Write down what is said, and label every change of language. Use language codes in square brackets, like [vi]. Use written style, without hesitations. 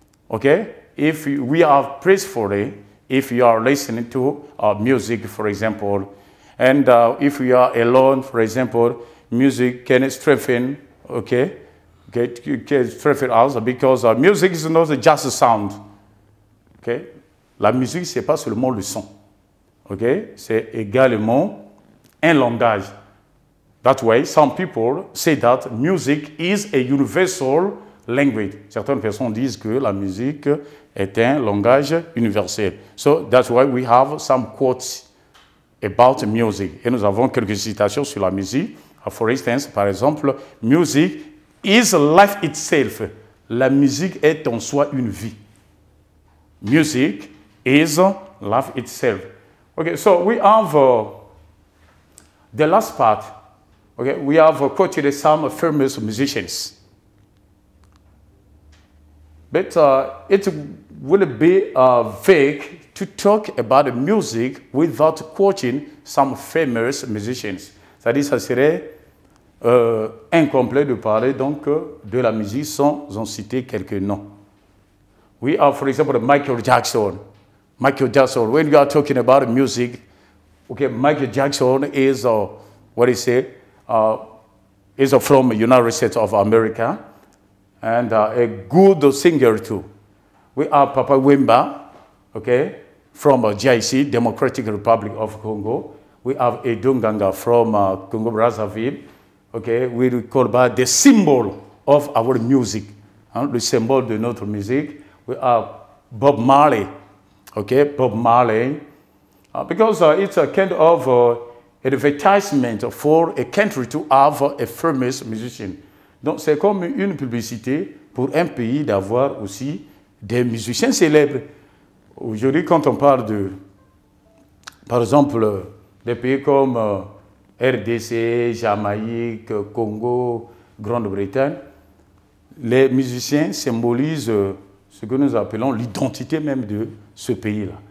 [en] Okay, if we are peacefully, if you are listening to music, for example, and if you are alone, for example, music can strengthen. Can strengthen us because music is not just a sound. [fr] Okay, la musique c'est pas seulement le son. Okay, c'est également un langage. [en] That way, some people say that music is a universal language. [fr] Certaines personnes disent que la musique est un langage universel. [en] So that's why we have some quotes about music. [fr] Et nous avons quelques citations sur la musique. [en] For instance, [fr] par exemple, [en] music is life itself. [fr] La musique est en soi une vie. [en] Music is life itself. Okay, so we have the last part. Okay, we have quoted some famous musicians. But it would be vague to talk about music without quoting some famous musicians. [fr] C'est-à-dire, ça serait incomplet de parler donc de la musique sans en citer quelques noms. [en] We have, for example, Michael Jackson. Michael Jackson, when you are talking about music, okay, Michael Jackson is, what do you say, is from the United States of America, and a good singer too. We have Papa Wemba, okay, from GIC, Democratic Republic of Congo. We have Edunganga from Congo Brazzaville. Okay, we call about the symbol of our music, the symbol of [fr] notre musique. [en] We have Bob Marley, okay, Bob Marley. Because it's a kind of advertisement for a country to have a famous musician. [fr] Donc c'est comme une publicité pour un pays d'avoir aussi des musiciens célèbres. Aujourd'hui, quand on parle de, par exemple, des pays comme RDC, Jamaïque, Congo, Grande-Bretagne, les musiciens symbolisent ce que nous appelons l'identité même de ce pays-là.